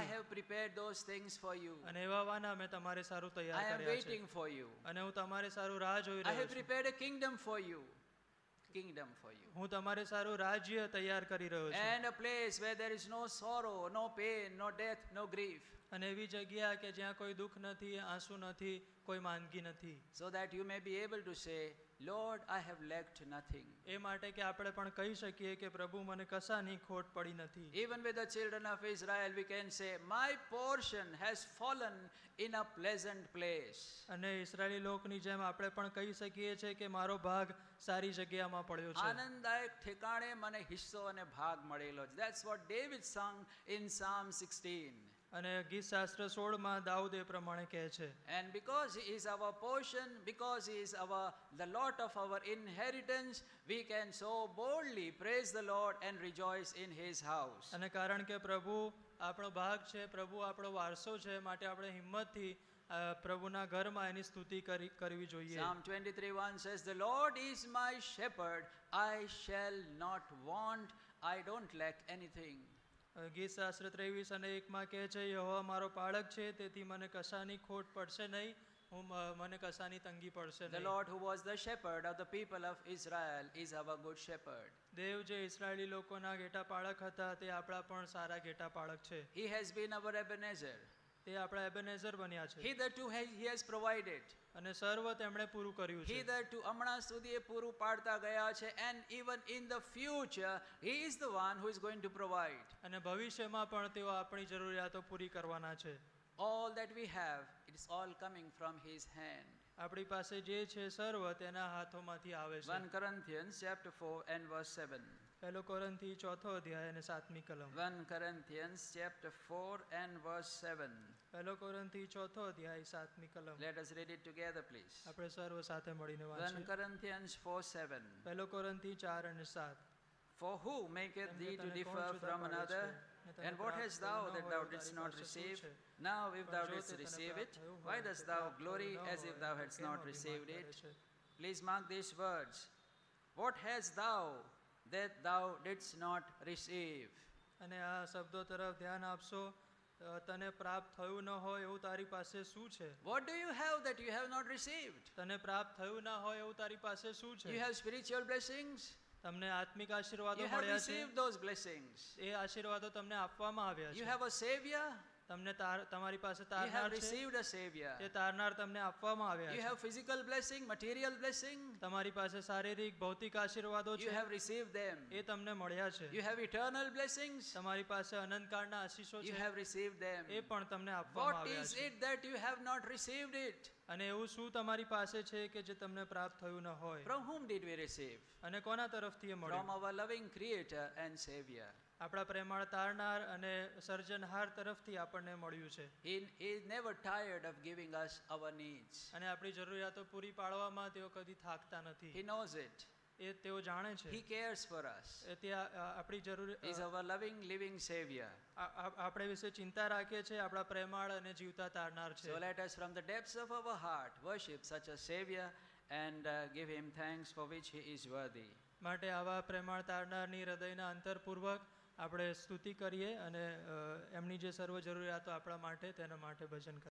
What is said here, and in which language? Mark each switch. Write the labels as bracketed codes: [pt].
[en] I have prepared those things for you. [gu] અને એવા વાના મેં તમારે સારું તૈયાર કર્યા [en] છે. I am waiting for you. [gu] અને હું તમારે સારું રાહ જોઈ રહ્યો [en] છું. I have prepared a kingdom for you. Kingdom for you. [gu] હું તમારે સારું રાજ્ય તૈયાર કરી રહ્યો છું. [en] And a place where there is no sorrow, no pain, no death, no grief. [gu] અને એવી જગ્યા કે જ્યાં કોઈ દુઃખ નથી, આંસુ નથી, કોઈ માંદગી નથી. [en] So that you may be able to say, Lord, I have lacked nothing. [gu] એ માટે કે આપણે પણ કહી શકીએ કે પ્રભુ મને કશાની ખોટ પડી નથી. [en] Even with the children of Israel, we can say, my portion has fallen in a pleasant place. [gu] અને ઇઝરાયલી લોકની જેમ આપણે પણ કહી શકીએ છીએ કે મારો ભાગ સારી જગ્યામાં પડ્યો છે. આનંદદાયક ઠેકાણે મને હિસ્સો અને ભાગ મળેલો છે. [en] That's what David sung in Psalm 16. [gu] અને ગીત શાસ્ત્ર 16માં દાઉદ એ પ્રમાણે કહે છે. [en] And because he is our portion, because he is our the lot of our inheritance, we can so boldly praise the Lord and rejoice in his house. [gu] અને કારણ કે પ્રભુ આપણો ભાગ છે, પ્રભુ આપણો વારસો છે, માટે આપણે હિંમતથી પ્રભુના ઘરમાં એની સ્તુતિ કરવી જોઈએ. [en] Psalm 23:1 says, The Lord is my shepherd, I shall not want, I don't lack anything. [gu] ગીત શાસ્ત્ર 23:1 કહે છે, યહોવા મારો પાળક છે, તેથી મને કશાની ખોટ પડશે નહીં, હું મને કશાની તંગી પડશે નહીં. [en] The Lord who was the shepherd of the people of Israel is our good shepherd. [gu] દેવ જે ઇઝરાયલી લોકોના ઘેટા પાળક હતા તે આપણા પણ સારા ઘેટા પાળક છે. [en] He has been our Ebenezer. [gu] તે આપણા એબેનેઝર બન્યા છે. [en] Hitherto he has provided. [gu] અને સર્વ તેમણે પૂરું કર્યું છે. Hitherto હમણાં સુધી એ પૂરું પાડતા ગયા છે. [en] And even in the future he is the one who is going to provide. [gu] અને ભવિષ્યમાં પણ તેઓ આપણી જરૂરિયાતો પૂરી કરવાના છે. [en] All that we have, it is all coming from his hand. [gu] આપણી પાસે જે છે સર્વ તેના હાથોમાંથી આવે છે. [en] 1 Corinthians chapter 4 and verse 7. [gu] પહેલો કોરિન્થી ચોથો અધ્યાય અને સાતમી કલમ [en] 1 Corinthians chapter 4 and verse 7 [gu] પહેલો કોરિન્થી ચોથો અધ્યાય સાતમી કલમ [en] let us read it together please [gu] આપણે સર્વ સાથે મળીને વાંચીએ [en] 1 Corinthians 4:7 [gu] પહેલો કોરિન્થી 4 અને 7 [en] For who maketh thee to differ from another And what hast thou that thou didst not receive? Now if thou didst receive it, why dost thou glory as if thou hadst not received it? Please mark these words. What hast thou that thou didst not receive? [gu] અને આ શબ્દો તરફ ધ્યાન આપશો તને પ્રાપ્ત થયું ન હોય એવું તારી પાસે શું છે? [en] What do you have that you have not received? [gu] તને પ્રાપ્ત થયું ન હોય એવું તારી પાસે શું છે? [en] You have spiritual blessings. [gu] તમને આત્મિક આશીર્વાદો મળ્યા છે. [en] You have those blessings. [gu] એ આશીર્વાદો તમને આપવામાં આવ્યા છે. [en] You have a savior. [gu] તમને તમારી પાસે તારનાર છે. [en] You have received a savior. [gu] એ તારનાર તમને આપવામાં આવ્યા છે. [en] You have physical blessing, material blessing. [gu] તમારી પાસે શારીરિક ભૌતિક આશીર્વાદો છે. [en] You have received them. [gu] એ તમને મળ્યા છે. [en] You have eternal blessings. [gu] તમારી પાસે અનંતકાળના આશીષો છે. [en] You have received them. [gu] એ પણ તમને આપવામાં આવ્યા છે. [en] What is it that you have not received it? [gu] અને એવું શું તમારી પાસે છે કે જે તમને પ્રાપ્ત થયું ન હોય? [en] From whom did we receive? [gu] અને કોના તરફથી એ મળ્યું? [en] From our loving creator and savior. [gu] આપણા પ્રેમાળ તારનાર અને સર્જનહાર તરફથી આપણને મળ્યું છે. [en] He is never tired of giving us our needs. [gu] અને આપણી જરૂરિયાતો પૂરી પાડવામાં તેઓ કદી થાકતા નથી. [en] He knows it. [gu] એ તેઓ જાણે છે. [en] He cares for us. [gu] એ ત્યાં આપણી જરૂર. [en] He is our loving living savior. [gu] આપણે વિશે ચિંતા રાખે છે. આપણા પ્રેમાળ અને જીવતા તારનાર છે. [en] So let us from the depths of our heart worship such a savior and give him thanks for which he is worthy. [gu] માટે આવા પ્રેમાળ તારનારની હૃદયના અંતરપૂર્વક આપણે સ્તુતિ કરીએ અને એમની જે સર્વ જરૂરિયાતો આપણા માટે તેના માટે ભજન કરીએ.